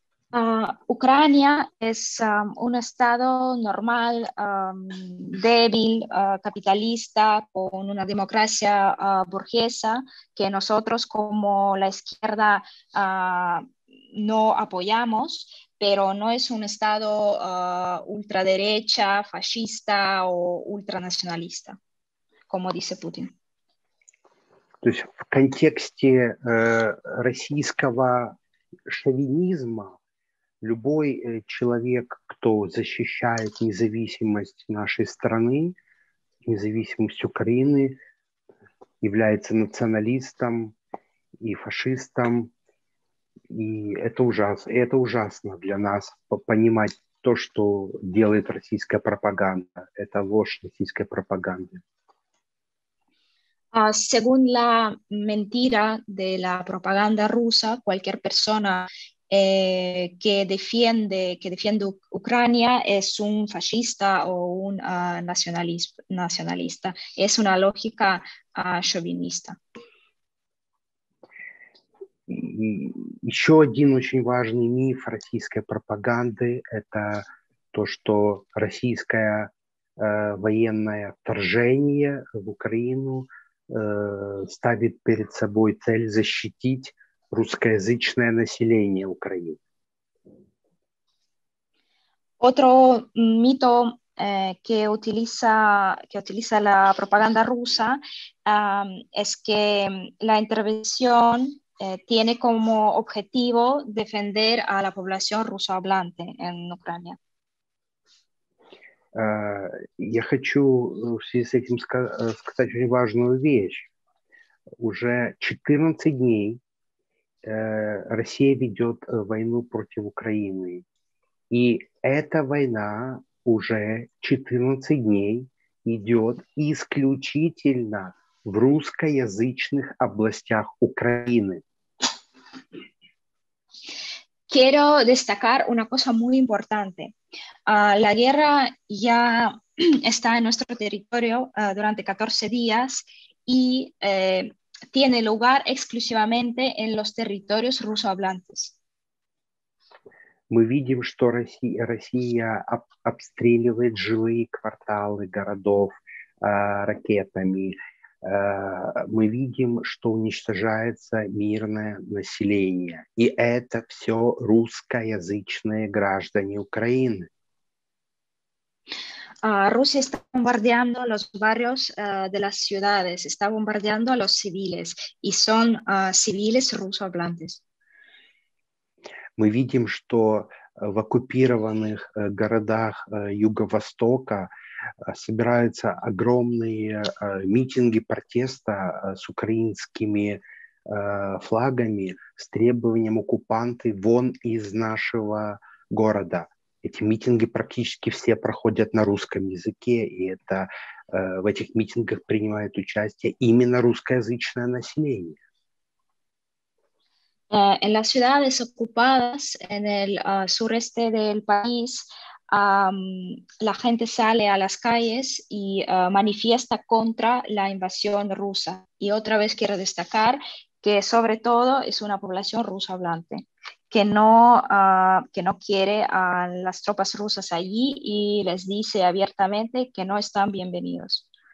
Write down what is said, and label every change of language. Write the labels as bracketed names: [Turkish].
[Spanish] Ucrania es un estado normal, débil, capitalista, con una democracia burguesa que nosotros como la izquierda no apoyamos, pero no es un estado ultraderecha, fascista o ultranacionalista, como dice Putin. [Russian] То есть в контексте российского шовинизма любой человек, кто защищает независимость нашей страны, независимость Украины, является националистом и фашистом. И это ужасно. Это ужасно для нас понимать то, что делает российская пропаганда. Это ложь российской пропаганды. [Spanish] Según la mentira de la propaganda rusa, cualquier persona que defiende Ucrania es un fascista o un nacionalista. Es una lógica chauvinista. [Russian] Еще один очень важный миф российской пропаганды – это то, что российское военное вторжение в Украину ставит перед собой цель защитить русскоязычное население Украины. [Spanish] Otro mito que utiliza la propaganda rusa es que la intervención tiene como objetivo defender a la población rusohablante en Ucrania. [Russian] Я хочу в связи с этим сказать очень важную вещь. Уже 14 дней Россия ведет войну против Украины. И эта война уже 14 дней идет исключительно в русскоязычных областях Украины. [Spanish] Quiero destacar una cosa muy importante. La guerra ya está en nuestro territorio durante 14 días y tiene lugar exclusivamente en los territorios rusohablantes. [Russian] Мы видим, что Россия обстреливает жилые кварталы городов ракетами. Мы видим, что уничтожается мирное население. И это все русскоязычные граждане Украины. [Spanish] Rusia está bombardeando los barrios de las ciudades, está bombardeando a los civiles, y son civiles rusohablantes. [Russian] Мы видим, что в оккупированных городах Юго-Востока собираются огромные митинги протеста с украинскими флагами с требованием оккупанты вон из нашего города. Эти митинги практически все проходят на русском языке, и это в этих митингах принимает участие именно русскоязычное население. [Spanish] En las ciudades ocupadas en el sureste del país, la gente sale a las calles y manifiesta contra la invasión rusa. Y otra vez quiero destacar que sobre todo es una población rusa hablante, que no quiere a las tropas rusas allí y les dice abiertamente que no están bienvenidos.